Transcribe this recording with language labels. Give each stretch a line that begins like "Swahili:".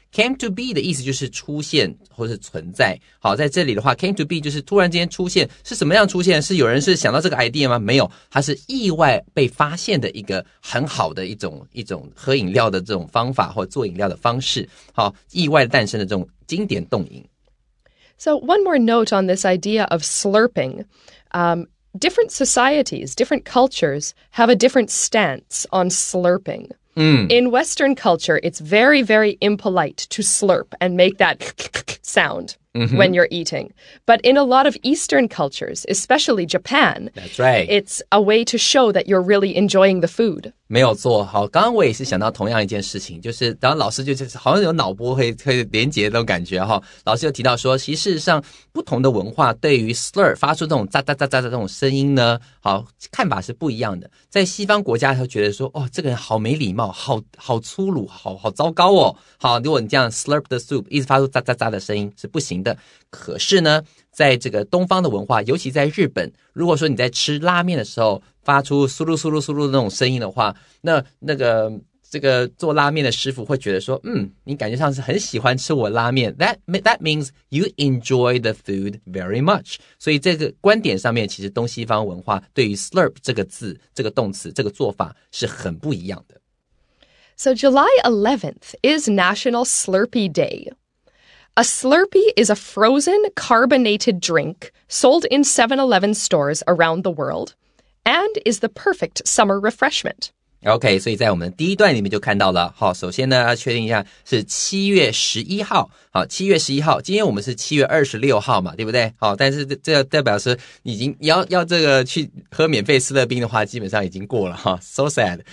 Chinese: Came to be 的意思就是出现或是存在。好，在这里的话 ，came to be 就是突然间出现，是什么样出现？是有人是想到这个 idea 吗？没有，它是意外被发现的一个很好的一种喝饮料的这种方法或做饮料的方式。好，意外诞生的这种经典动饮。
English: So one more note on this idea of slurping. Different societies, different cultures have a different stance on slurping. In Western culture, it's very, very impolite to slurp and make that sound、mm-hmm. when you're eating. But in a lot of Eastern cultures, especially Japan, That's、right. it's a way to show that you're really enjoying the food.
Chinese: 没有错，好，刚刚我也是想到同样一件事情，就是当老师就是好像有脑波会连接的那种感觉哈。老师就提到说，其实事实上不同的文化对于 slurp 发出这种喳喳喳喳的这种声音呢，好看法是不一样的。在西方国家，他觉得说，哦，这个人好没礼貌，好粗鲁，好糟糕哦。好，如果你这样
English: slurp the soup
Chinese: 一直发出喳喳喳的声音是不行的。可是呢，在这个东方的文化，尤其在日本，如果说你在吃拉面的时候发出嗖噜嗖噜嗖噜的那种声音的话，那个这个做拉面的师傅会觉得说，你感觉上是很喜欢吃我拉面。
English: That means you enjoy the food very much.
Chinese: 所以这个观点上面，其实东西方文化对于 slurp 这个字、这个动词、这个做法是很不一样的。
English: So July 11th is National Slurpee Day. A Slurpee is a frozen carbonated drink sold in 7-Eleven stores around the world and is the perfect summer refreshment.
Chinese: OK, 所以在我们第一段里面就看到了。好，首先呢要确定一下是7月11号。好 ,7 月11号今天我们是7月26号嘛，对不对？好，但是这代表是已经要这个去喝免费思乐冰的话基本上已经过了哈。
English: So sad.